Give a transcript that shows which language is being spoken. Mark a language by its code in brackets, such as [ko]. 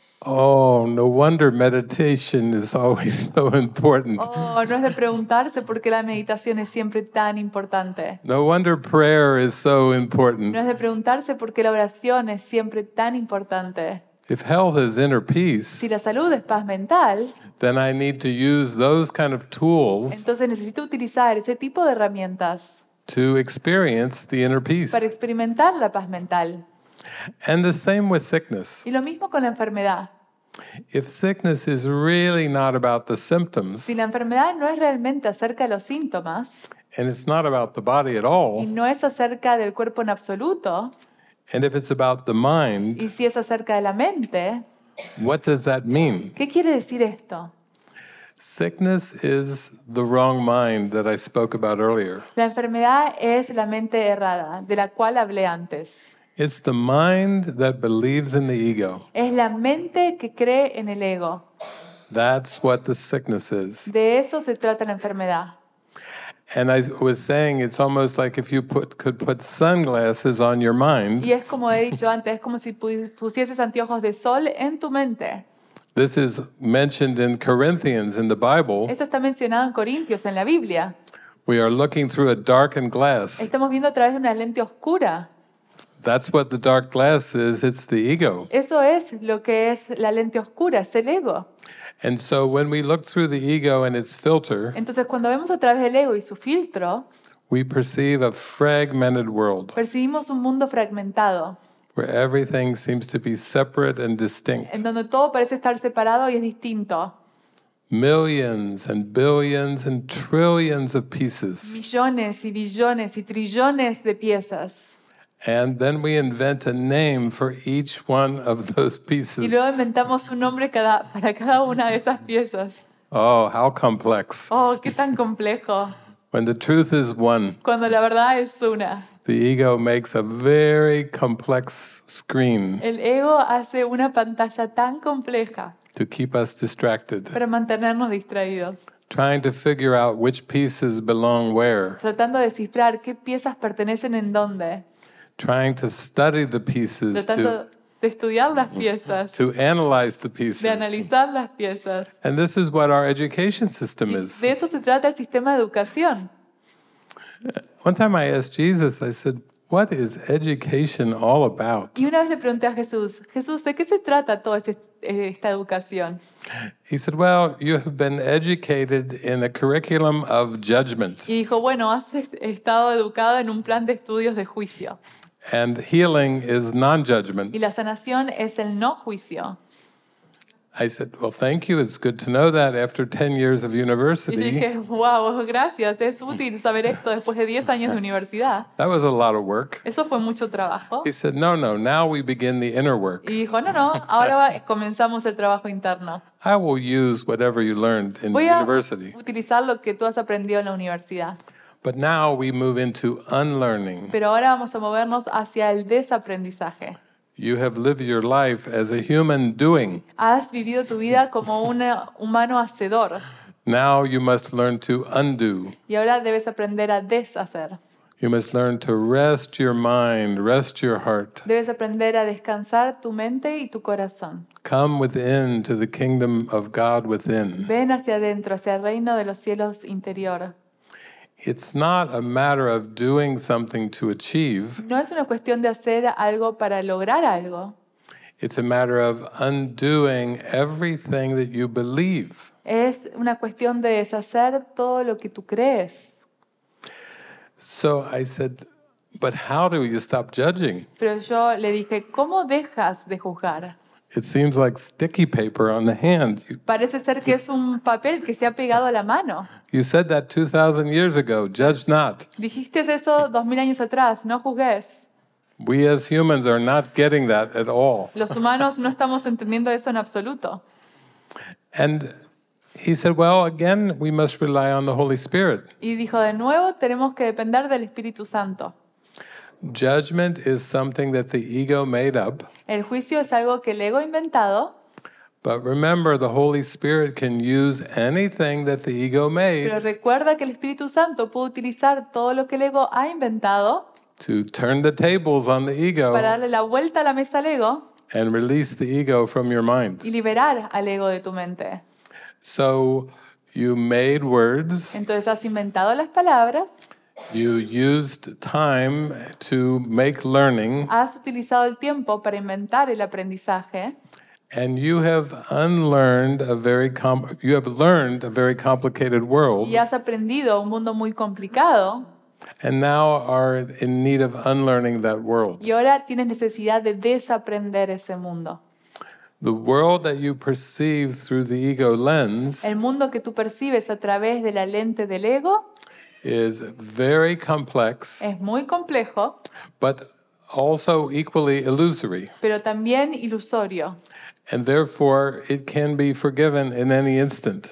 [en] Oh, no wonder meditation is always so important. [es] Oh, no es de preguntarse por qué la meditación es siempre tan importante. [en] No wonder prayer is so important. [es] No es de preguntarse por qué la oración es siempre tan importante. [en] If health is inner peace, [es] si la salud es paz mental, [en] then I need to use those kind of tools. [es] Entonces necesito utilizar ese tipo de herramientas [en] to experience the inner peace. [es] Para experimentar la paz mental. [en] And the same with sickness. [es] Y lo mismo con la enfermedad. [en] If sickness is really not about the symptoms, [es] si la enfermedad no es realmente acerca de los síntomas, [en] and it's not about the body at all, [es] y no es acerca del cuerpo en absoluto, [en] and if it's about the mind, [es] y si es acerca de la mente, [en] what does that mean? [es] ¿Qué quiere decir esto? [en] Sickness is the wrong mind that I spoke about earlier. [es] La enfermedad es la mente errada, de la cual hablé antes. [en] It's the mind that believes in the ego. [es] Es la mente que cree en el ego. [en] That's what the sickness is. [es] De eso se trata la enfermedad. [en] And I was saying, it's almost like if you could put sunglasses on your mind. [es] Y es como he dicho antes, es como si pusieses anteojos de sol en tu mente. [en] This is mentioned in Corinthians in the Bible. [es] Esto está mencionado en Corintios en la Biblia. [en] We are looking through a darkened glass. [es] Estamos viendo a través de una lente oscura. [en] That's what the dark glass is, it's the ego. [es] Eso es lo que es la lente oscura, es el ego. [en] And so when we look through the ego and its filter, [es] entonces cuando vemos a través del ego y su filtro, [en] we perceive a fragmented world. [es] Percibimos un mundo fragmentado. [en] Where everything seems to be separate and distinct. [es] En donde todo parece estar separado y es distinto. [en] Millions and billions and trillions of pieces. [es] Millones y billones y trillones de piezas. [en] And then we invent a name for each one of those pieces. [es] Y luego inventamos un nombre para cada una de esas piezas. [en] Oh, how complex. [es] Oh, qué tan complejo. [en] When the truth is one. [es] Cuando la verdad es una. [en] The ego makes a very complex screen. [es] El ego hace una pantalla tan compleja. [en] To keep us distracted. [es] Para mantenernos distraídos. [en] Trying to figure out which pieces belong where. [es] Tratando de descifrar qué piezas pertenecen en dónde. [en] Trying to study the pieces to analyze the pieces. [es] De analizar las piezas. [en] And this is what our education system is. [es] De eso se trata el sistema de educación. [en] One time I asked Jesus, I said, what is education all about? [es] Y una vez le pregunté a Jesús, Jesús, ¿de qué se trata toda esta educación? [en] He said, well, you have been educated in a curriculum of judgment. [es] Y dijo, bueno, has estado educado en un plan de estudios de juicio. [en] And healing is non-judgment. [es] Y la sanación es el no juicio. [en] I said, well, thank you. It's good to know that after 10 years of university. [es] Y dije, wow, gracias. Es útil saber esto después de 10 años de universidad. [en] That was a lot of work. [es] Eso fue mucho trabajo. [en] He said, no, no, now we begin the inner work. [es] Y dijo, no, no, ahora comenzamos el trabajo interno. [en] I will use whatever you learned in university. [es] Voy a utilizar lo que tú has aprendido en la universidad. [en] But now we move into unlearning. [es] Pero ahora vamos a movernos hacia el desaprendizaje. [en] You have lived your life as a human doing. [es] Has vivido tu vida como un humano hacedor. [en] Now you must learn to undo. [es] Y ahora debes aprender a deshacer. [en] You must learn to rest your mind, rest your heart. [es] Debes aprender a descansar tu mente y tu corazón. [en] Come within to the kingdom of God within. [es] Ven hacia adentro, hacia el reino de los cielos interior. [en] It's not a matter of doing something to achieve. [es] No es una cuestión de hacer algo para lograr algo. [en] It's a matter of undoing everything that you believe. [es] Es una cuestión de deshacer todo lo que tú crees. [en] So I said, but how do you stop judging? [es] Pero yo le dije, ¿cómo dejas de juzgar? [en] It seems like sticky paper on the hand. [es] Parece ser que es un papel que se ha pegado a la mano. [en] You said that 2,000 years ago. Judge not. [es] Dijiste eso 2,000 años atrás. No juzgues. [en] We as humans are not getting that at all. [es] Los humanos no estamos entendiendo eso en absoluto. [en] And he said, well, again, we must rely on the Holy Spirit. [es] Y dijo, de nuevo, tenemos que depender del Espíritu Santo. [en] Judgment is something that the ego made up. [es] El juicio es algo que el ego ha inventado. [en] But remember, the Holy Spirit can use anything that the ego made. [es] Pero recuerda que el Espíritu Santo puede utilizar todo lo que el ego ha inventado. [en] To turn the tables on the ego. [es] Para darle la vuelta a la mesa al ego. [en] And release the ego from your mind. [es] Y liberar al ego de tu mente. [en] So you made words. [es] Entonces has inventado las palabras. [en] You used time to make learning. [es] Has utilizado el tiempo para inventar el aprendizaje. [en] And you have unlearned a very you have learned a very complicated world. [es] Y has aprendido un mundo muy complicado. [en] And now are in need of unlearning that world. [es] Y ahora tienes necesidad de desaprender ese mundo. [en] The world that you perceive through the ego lens. [es] El mundo que tú percibes a través de la lente del ego. [en] Is very complex. [es] Es muy complejo. [en] But also equally illusory. [es] Pero también ilusorio. [en] And therefore, it can be forgiven in any instant.